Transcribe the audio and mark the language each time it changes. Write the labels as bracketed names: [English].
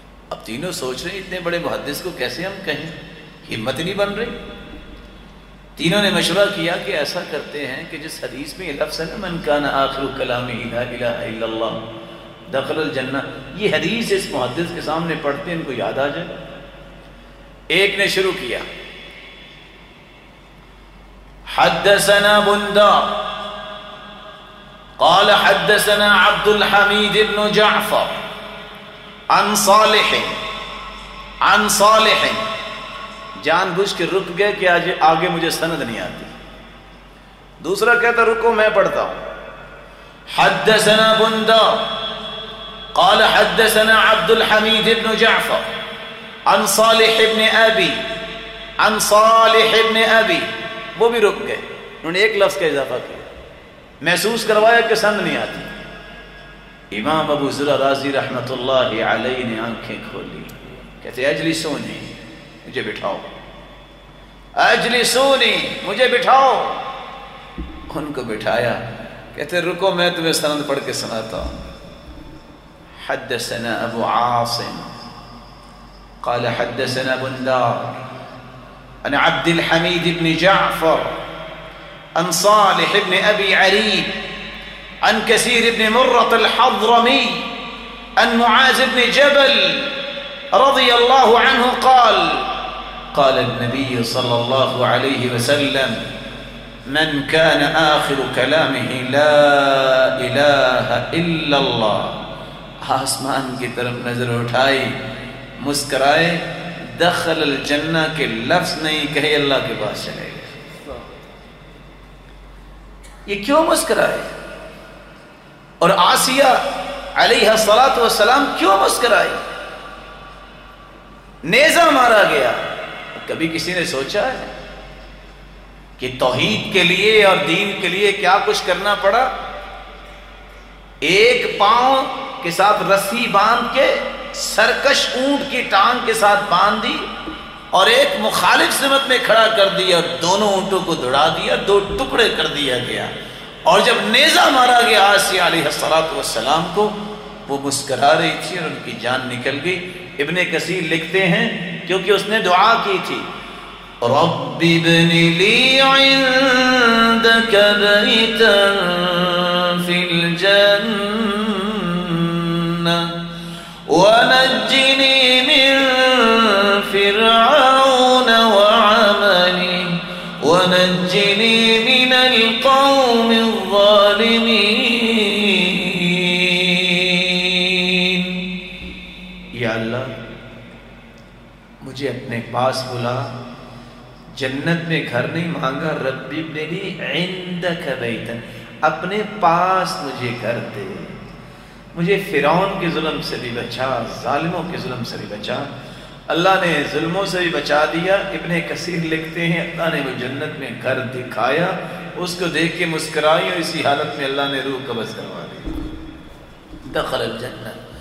[Urdu] اب تینوں سوچ رہے ہیں اتنے بڑے محدث کو کیسے ہم کہیں، ہمت نہیں بن رہی۔ تینوں نے مشورہ کیا کہ ایسا کرتے ہیں کہ جس حدیث میں یہ لفظ ہے [Arabic] من کان آخر کلامہ لا الہ الا اللہ دخل الجنہ، [Urdu] یہ حدیث اس محدث کے سامنے پڑھتے ہیں ان کو یاد آ جائے۔ ایک نے شروع کیا [Arabic] حدثنا بندار قال حدثنا عبد الحمید بن جعفر عن صالح عن صالح، [Urdu] جان بوجھ کے رک گئے کہ آج آگے مجھے سند نہیں آتی، دوسرا کہتا رکو میں پڑھتا ہوں۔ [Arabic] حدثنا بندار قال حدثنا عبد الحمید بن جعفر عن صالح بن ابی عن صالح بن ابی، [Urdu] وہ بھی رک گئے، انہوں نے ایک لفظ کا اضافہ کیا، محسوس کروایا کہ سند نہیں آتی۔ امام ابو ذر رازی رحمۃ اللہ علیہ نے آنکھیں کھولی، کہتے اجلسونی مجھے بٹھاؤ، اجلسونی مجھے بٹھاؤ، ان کو بٹھایا، کہتے رکو میں تمہیں سند پڑھ کے سناتا ہوں۔ [Arabic] حدثنا ابو عاصم قال حدثنا بندار عن عبد الحميد بن جعفر عن صالح بن ابي عريب عن كثير بن مرة الحضرمي عن معاذ بن جبل رضي الله عنه قال قال النبي صلى الله عليه وسلم من كان اخر كلامه لا اله الا الله [Urdu] آسمان کی طرف نظر اٹھائی مسکرائے دخل الجنہ کے لفظ نہیں کہے اللہ کے پاس چلے گا۔ یہ کیوں مسکرائے اور آسیہ علیہ الصلاۃ والسلام کیوں مسکرائے؟ نیزہ مارا گیا، کبھی کسی نے سوچا ہے کہ توحید کے لیے اور دین کے لیے کیا کچھ کرنا پڑا؟ ایک پاؤں کے ساتھ رسی باندھ کے سرکش اونٹ کی ٹانگ کے ساتھ باندھ دی اور ایک مخالف سمت میں کھڑا کر دیا، دونوں اونٹوں کو دوڑا دیا، دو ٹکڑے کر دیا گیا، اور جب نیزہ مارا گیا آسیہ علیہ الصلاۃ والسلام کو، وہ مسکرا رہی تھی اور ان کی جان نکل گئی۔ ابن کثیر لکھتے ہیں کیونکہ اس نے دعا کی تھی [Arabic] رب ابن لی عندک بیتا فی الجنہ ونجني من فرعون وعملي ونجني من القوم الظالمين، [Urdu] یا اللہ مجھے اپنے پاس بلا، جنت میں گھر نہیں مانگا، [Arabic] رب ابن لی عندک بیتا [Urdu] اپنے پاس مجھے گھر دے، مجھے فرعون کے ظلم سے بھی بچا، ظالموں کے ظلم سے بھی بچا، اللہ نے ظلموں سے بھی بچا دیا۔ ابن کثیر لکھتے ہیں اللہ نے وہ جنت میں گھر دکھایا، اس کو دیکھ کے مسکرائی اور اسی حالت میں اللہ نے روح قبض کروا دی، دخل الجنہ۔